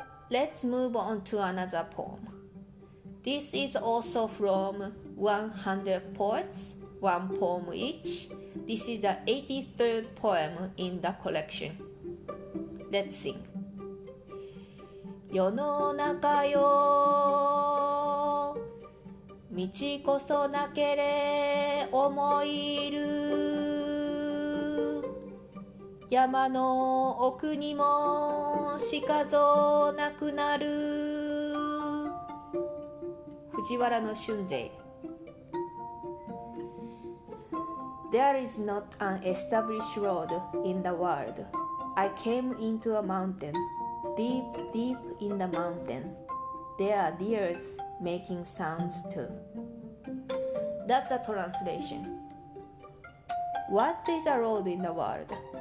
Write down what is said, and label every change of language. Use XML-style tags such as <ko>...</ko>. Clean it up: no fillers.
<en>Let's move on to another poem. This is also from 100 Poets, One Poem Each. This is the 83rd poem in the collection. Let's sing.</en> <ja>世の中よ道こそなけれ思いる山の奥にもしかぞなくなる藤原の春勢。</ja> <en>There is not an established road in the world. I came into a mountain, deep, deep in the mountain. There are deers making sounds too. That's the translation. What is a road in the world?</en>